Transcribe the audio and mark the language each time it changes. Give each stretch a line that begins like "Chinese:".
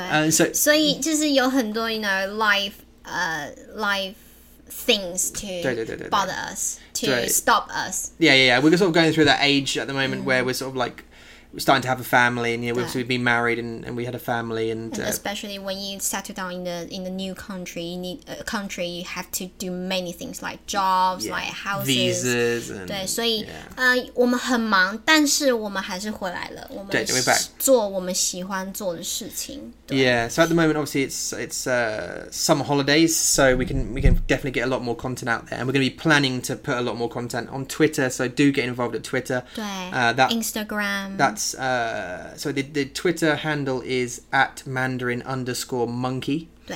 English: so
Chinese: 所以就是有很多
English: you know life things to bother us, to stop us, we're sort of going through that age at the moment where we're sort of like starting to have a family, and you know, we've been married and we had a family, and especially when you settle down in the new country, you need a country, you have to do many things like jobs, like houses, visas, and
Chinese: 对，所以 我们很忙, 但是我们还是回来了，我们
English: we're back
Chinese: 做我们喜欢做的事情。
English: So at the moment, obviously it's summer holidays, so we can definitely get a lot more content out there, and we're going to be planning to put a lot more content on Twitter. So do get involved at Twitter. Instagram. So the Twitter handle is @mandarin_monkey.